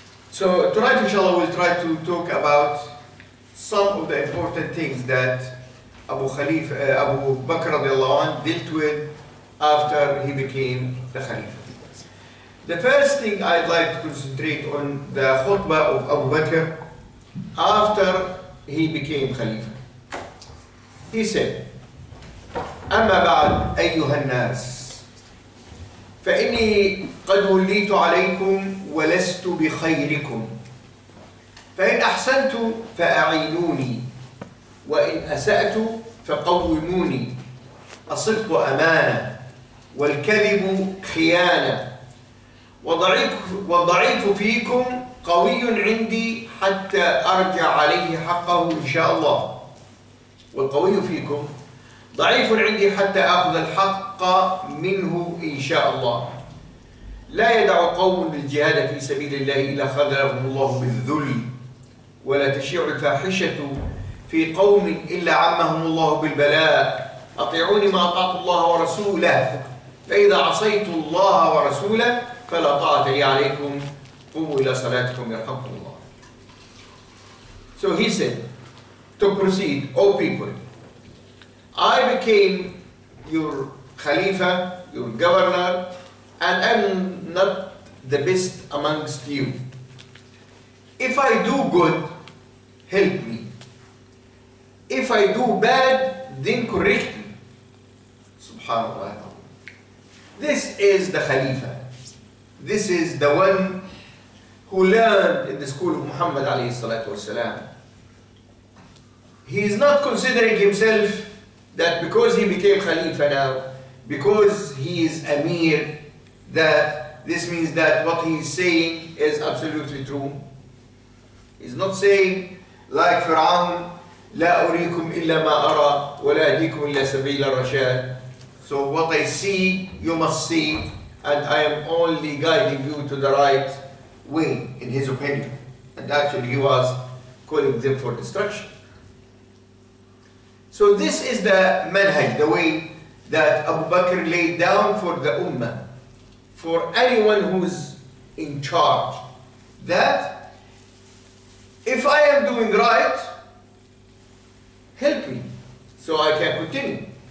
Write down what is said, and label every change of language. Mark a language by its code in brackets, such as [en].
[en] So tonight, inshallah, we'll try to talk about some of the important things that Abu Khalifa, Abu Bakr radiallahu anh dealt with after he became the Khalifa. The first thing I'd like to concentrate on the khutbah of Abu Bakr after he became Khalifa. He said, [ar] أما بعد أيها الناس فإني قد وليت عليكم ولست بخيركم، فإن أحسنت فأعينوني وإن أسأت فقوموني، الصدق أمانة والكذب خيانة، والضعيف فيكم قوي عندي حتى أرجع عليه حقه إن شاء الله، والقوي فيكم ضعيف عندي حتى أخذ الحق منه إن شاء الله. لا يدع قوم للجهاد في سبيل الله إلا خذلهم الله بالذل، ولا تشيع الفاحشة في قوم إلا عمهم الله بالبلاء. أطيعوني ما أطعت الله ورسوله، فإذا عصيت الله ورسوله فلا طاعة لي عليكم، قوموا إلى صلاتكم يرحمكم الله. [en] So he said to proceed, O people, I became your Khalifa, your governor, and I'm not the best amongst you. If I do good, help me. If I do bad, then correct me. Subhanallah. This is the Khalifa. This is the one who learned in the school of Muhammad alayhi salatu wasalam. He is not considering himself that because he became Khalifa now, because he is Amir, that this means that what he is saying is absolutely true. He's not saying like Fir'aun, [ar] لا أريكم إلا ما أرى ولا أهديكم إلا سبيل الرشاد. [en] So what I see, you must see, and I am only guiding you to the right way, in his opinion. And actually he was calling them for destruction. So this is the manhaj, the way that Abu Bakr laid down for the Ummah, for anyone who's in charge, that if I am doing right, help me so I can continue.